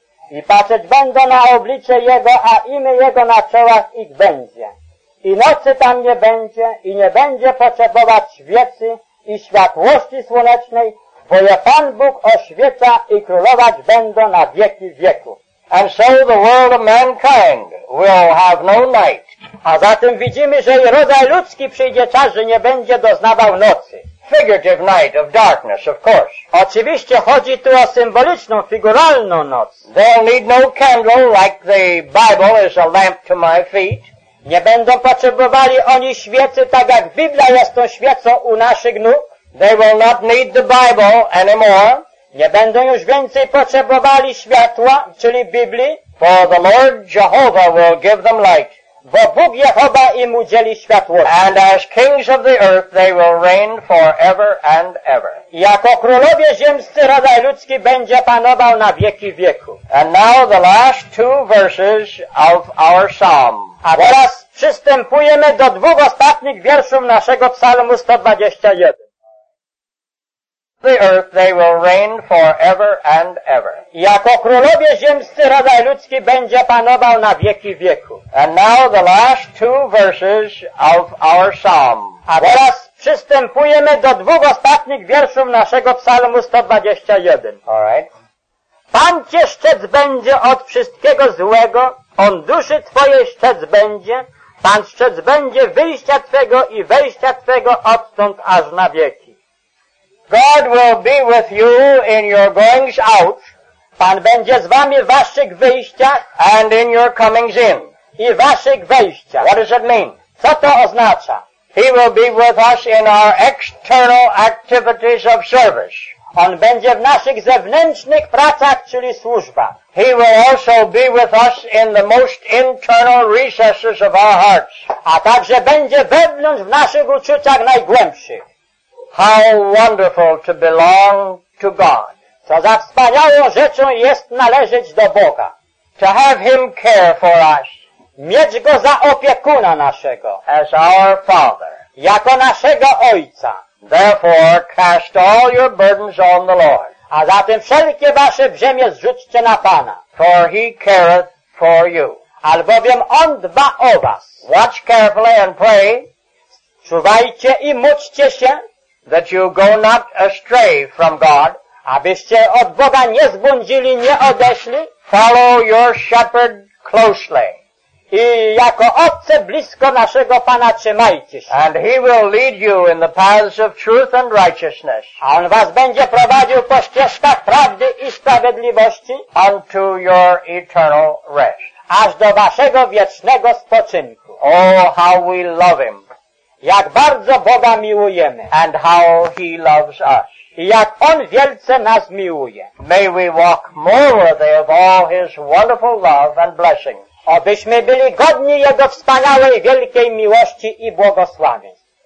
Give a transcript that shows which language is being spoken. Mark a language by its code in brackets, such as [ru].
[pl] I patrzeć będą na oblicze jego, a imię jego na czołach ich będzie. I nocy tam nie będzie, i nie będzie potrzebować świecy i światłości słonecznej, bo je Pan Bóg oświeca i królować będą na wieki wieku. [en] And so the world of mankind will have no night. [pl] A zatem widzimy, że i rodzaj ludzki przyjdzie czas, że nie będzie doznawał nocy. [en] Figurative night of darkness, of course. [pl] Oczywiście chodzi tu o symboliczną, figuralną noc. [en] They'll need no candle like the Bible is a lamp to my feet. [pl] Nie będą potrzebowali oni świecy, tak jak Biblia jest tą świecą u naszych nóg. [en] They will not need the Bible anymore. [pl] Nie będą już więcej potrzebowali światła, czyli Biblii. [en] For the Lord Jehovah will give them light. [pl] Bo Bóg Jehowa im udzieli światło. [en] And as kings of the earth, they will reign forever and ever. [pl] Jako królowie ziemscy rodzaj ludzki będzie panował na wieki wieku. [en] And now the last two verses of our psalm. [pl] A teraz przystępujemy do dwóch ostatnich wierszów naszego psalmu 121. [en] The earth they will reign forever and ever. [pl] Jako królowie ziemscy rodzaj ludzki będzie panował na wieki wieku. [en] And now the last two verses of our psalm. [pl] A teraz przystępujemy do dwóch ostatnich wierszów naszego psalmu 121. [en] All right. [pl] Pan cię szczec będzie od wszystkiego złego, on duszy twojej szczec będzie, Pan szczec będzie wyjścia twego i wejścia twego odtąd aż na wieki. [en] God will be with you in your goings out. [pl] Pan będzie z wami w waszych wyjściach. [en] And in your comings in. [pl] I waszych wejściach. [en] What does it mean? [pl] Co to oznacza? [en] He will be with us in our external activities of service. [pl] On będzie w naszych zewnętrznych pracach, czyli służba. [en] He will also be with us in the most internal recesses of our hearts. [pl] A także będzie wewnątrz w naszych uczuciach najgłębszych. [en] How wonderful to belong to God. [pl] Co za wspaniałą rzeczą jest należeć do Boga. [en] To have Him care for us. [pl] Mieć Go za opiekuna naszego. [en] As our Father. [pl] Jako naszego Ojca. [en] Therefore, cast all your burdens on the Lord. [pl] A zatem wszelkie wasze brzemię zrzućcie na Pana. [en] For He careth for you. [pl] Albowiem On dba o was. [en] Watch carefully and pray. [pl] Czuwajcie i módlcie się. [en] That you go not astray from God. [pl] Abyście od Boga nie zbłądzili, nie odeszli. [en] Follow your shepherd closely. [pl] I jako owce blisko naszego Pana trzymajcie się. [en] And he will lead you in the paths of truth and righteousness. [pl] A on was będzie prowadził po ścieżkach prawdy i sprawiedliwości. [en] Unto your eternal rest. [pl] Aż do waszego wiecznego spoczynku. [en] Oh, how we love him. [pl] Jak bardzo Boga miłujemy. [en] And how He loves us. [pl] I jak On wielce nas miłuje. [en] May we walk more worthy of all His wonderful love and blessings. [pl] Abyśmy byli godni Jego wspaniałej, wielkiej miłości i błogosławieństw.